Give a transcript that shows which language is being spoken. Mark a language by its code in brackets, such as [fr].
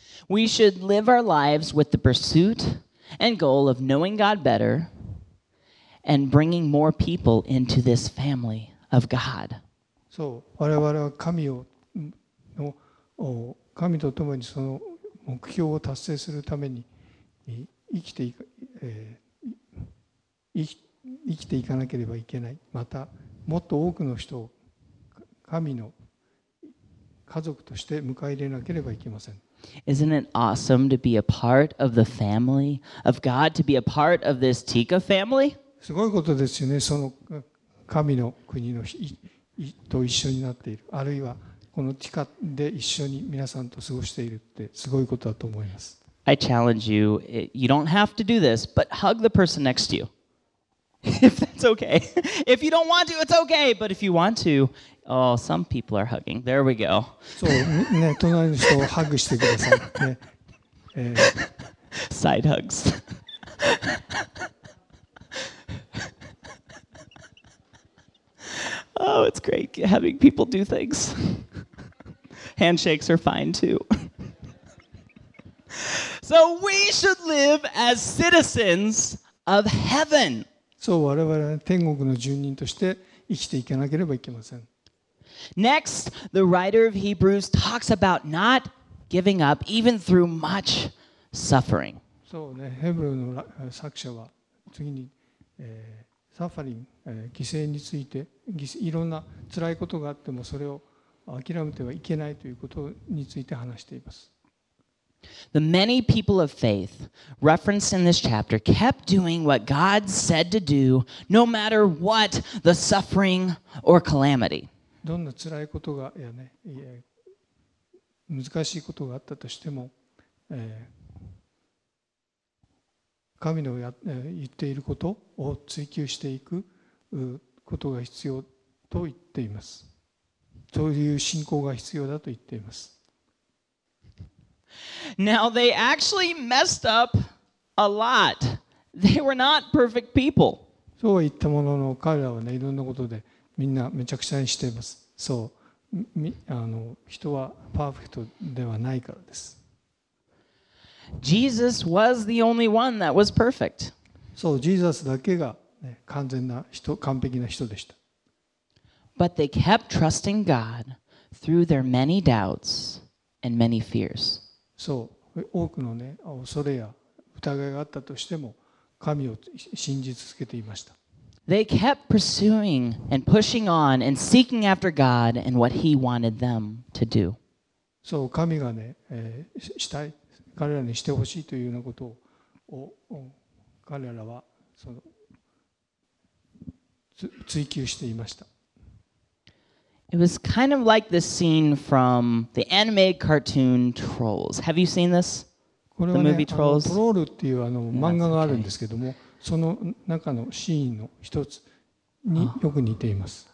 [en] We should live our lives with the pursuit and goal of knowing God better and bringing more people into this family of God. [ja] そう、我々は神と共にその目標を達成するために生きていく。生きていかなければいけない。また、もっと多くの人を神の家族として迎え入れなければいけません。 [en] Isn't it awesome to be a part of the family of God, to be a part of this Tika family? [ja] すごいことですよね。その神の国のと一緒になっている。あるいはこのティカで一緒に皆さんと過ごしているってすごいことだと思います。 [en] I challenge you, you don't have to do this, but hug the person next to you. If that's okay. If you don't want to, it's okay. But if you want to, oh, some people are hugging. There we go. [ja] そう、ね、隣の人をハグしてください。ね、 [en] Side hugs. Oh, it's great having people do things. Handshakes are fine too. So we should live as citizens of heaven. [ja] そう、我々は天国の住人として生きていかなければいけません。 [en] Next, the writer of Hebrews talks about not giving up even through much suffering. [ja] そうね、ヘブルの作者は次に、サファリング、犠牲についていろんな辛いことがあってもそれを諦めてはいけないということについて話しています。 [en] The many people of faith referenced in this chapter kept doing what God said to do, no matter what the suffering or calamity. [ja] どんな辛いことがやね、難しいことがあったとしても、神の言っていることを追求していくことが必要と言っています。そういう信仰が必要だと言っています。 [en] Now they actually messed up a lot. They were not perfect people. [ja] そう言ったものの彼らはね、いろんなことでみんなめちゃくちゃにしています。そう、人はパーフェクトではないからです。 [en] Jesus was the only one that was perfect. [ja] そう、ジーザスだけが、ね、完全な人、完璧な人でした。 [en] But they kept trusting God through their many doubts and many fears. [ja] そう、多くのね、恐れや疑いがあったとしても、神を信じ続けていました。 [en] They kept pursuing and pushing on and seeking after God and what He wanted them to do. [ja] そう、神がね、したい、彼らにしてほしいというようなことを、彼らはその追求していました。 [en] It was kind of like this scene from the anime cartoon Trolls. Have you seen this? [ja] これはね、 [en] the movie Trolls? [ja] トロールっていうあの漫画があるんですけども、その中のシーンの一つによく似ています。